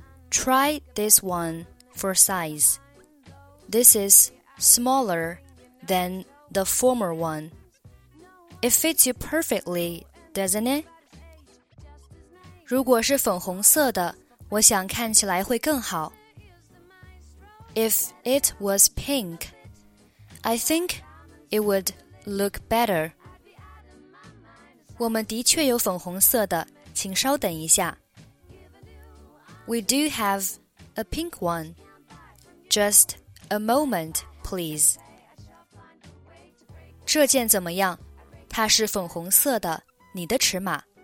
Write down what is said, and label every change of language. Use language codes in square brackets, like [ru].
[en] Try this one for size. This is smaller than the former one. It fits you perfectly. Doesn't it? [zh] 如果是粉红色的，我想看起来会更好。 [en] If it was pink, I think it would look better. [zh] 我们的确有粉红色的，请稍等一下。 [en] We do have a pink one. Just a moment, please. [zh] 这件怎么样？它是粉红色的。你的尺码。